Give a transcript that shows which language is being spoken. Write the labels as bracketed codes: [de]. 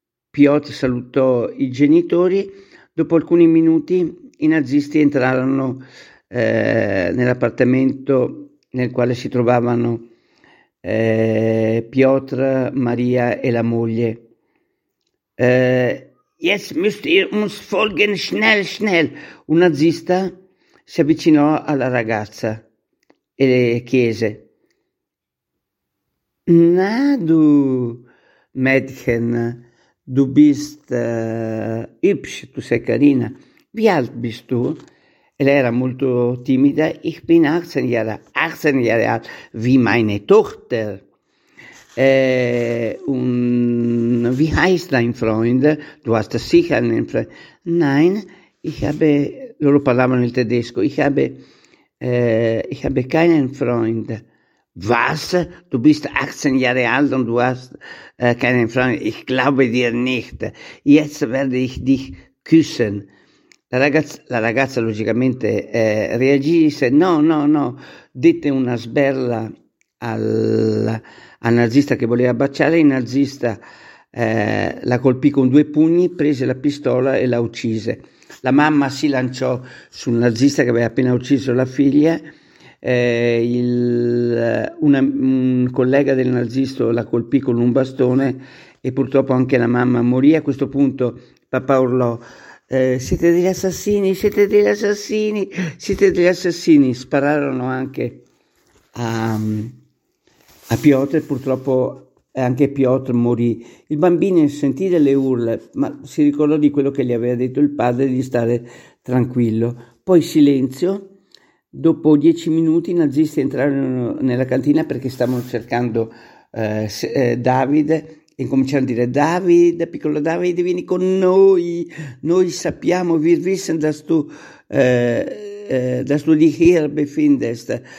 [it] Piotr salutò i genitori, dopo alcuni minuti i nazisti entrarono nell'appartamento nel quale si trovavano Piotr, Maria e la moglie. [de] "Yes, müsst ihr uns folgen, schnell, schnell!" [it] Un nazista si avvicinò alla ragazza e le chiese: [de] "Na du, Mädchen, du bist hübsch, [it] tu sei carina. [de] Wie alt bist du?" [it] E lei era molto timida. [de] "Ich bin 18 Jahre, 18 Jahre alt, wie meine Tochter." "Wie heißt dein Freund? Du hast sicher einen Freund." "Nein, [it] loro parlavano il tedesco, [de] ich habe keinen Freund." "Was? Du bist 18 Jahre alt und du hast keinen Freund? Ich glaube dir nicht. Jetzt werde ich dich küssen." [it] La ragazza logicamente reagì e disse: "No, no, no", dette una sberla al nazista che voleva baciare. Il nazista la colpì con 2 pugni, prese la pistola e la uccise. La mamma si lanciò sul nazista che aveva appena ucciso la figlia. Un collega del nazista la colpì con un bastone e purtroppo anche la mamma morì. A questo punto papà urlò: "Siete degli assassini, siete degli assassini, siete degli assassini." Spararono anche a Piotr, purtroppo anche Piotr morì. Il bambino sentì delle urla, ma si ricordò di quello che gli aveva detto il padre, di stare tranquillo. Poi silenzio. Dopo 10 minuti i nazisti entrarono nella cantina perché stavano cercando Davide. E cominciano a dire: "Davide, piccolo Davide, vieni con noi. Noi sappiamo, [de] wir wissen, dass du dich hier befindest.